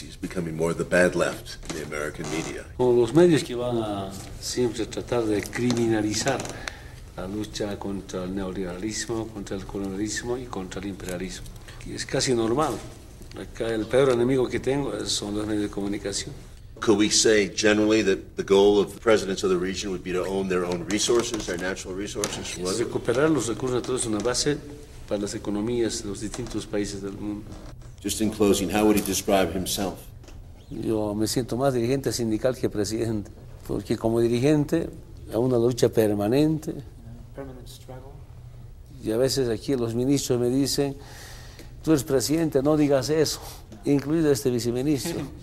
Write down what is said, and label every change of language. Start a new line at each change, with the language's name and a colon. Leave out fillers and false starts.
English: He's becoming more the bad left in the American media.
Spanish: Como los medios que van a siempre tratar de criminalizar la lucha contra el neoliberalismo, contra el colonialismo y contra el imperialismo. Y es casi normal. Acá el peor enemigo que tengo son los medios de comunicación.
English: Could we say generally that the goal of the presidents of the region would be to own their own resources, their natural resources?
Spanish: Es recuperar los recursos naturales una base para las economías de los distintos países del mundo.
English: Just in closing, how would he describe himself?
Spanish: Yo me siento más dirigente sindical que presidente, porque como dirigente es una lucha permanente. Y a veces aquí los ministros me dicen, tú eres presidente, no digas eso, incluido este viceministro.